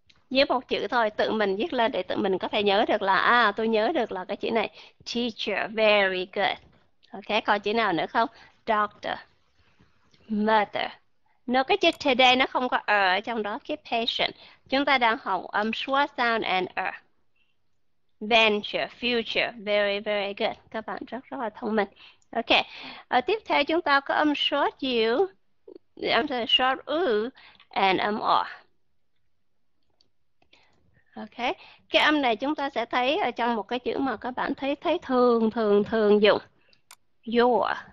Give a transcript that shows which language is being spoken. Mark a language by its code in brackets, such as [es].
[vi] Viết một chữ thôi, tự mình viết lên để tự mình có thể nhớ được là à, tôi nhớ được là cái chữ này. [en] Teacher, very good. [vi] Ok, còn chữ nào nữa không? Doctor, mother. Nó cái chữ today nó không có ở trong đó, cái patient. Chúng ta đang học âm schwa sound and er. [en] Venture, future, very very good. [vi] Các bạn rất rất là thông minh. Ok, tiếp theo chúng ta có âm short u. Âm short u and âm o. Ok, cái âm này chúng ta sẽ thấy ở trong một cái chữ mà các bạn thấy thấy thường thường thường dùng. Your.